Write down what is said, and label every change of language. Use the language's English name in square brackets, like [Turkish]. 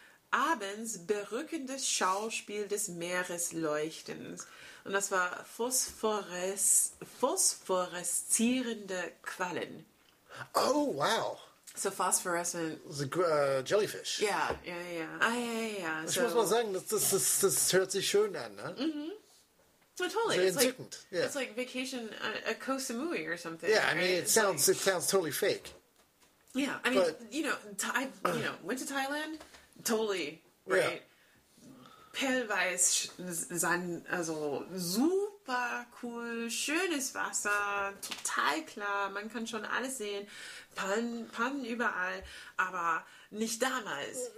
[German] Abends berückendes Schauspiel des Meeresleuchtens. Und das war phosphoreszierende Quallen. Oh, wow. [English] So phosphorescent. Jellyfish. Ja, ja, ja. Ah, ja, ja. [German] Ich muss mal sagen, das hört sich schön an, ne? [English] Mm-hmm. Well, totally. It's like vacation at Koh Samui or something. Yeah, right? I mean, it sounds totally fake. Yeah, I mean, but, you know, I went to Thailand. Totally, right? Yeah. [German] Perlweiß, also super cool, schönes Wasser, total klar, man kann schon alles sehen, Pannen überall, aber nicht damals.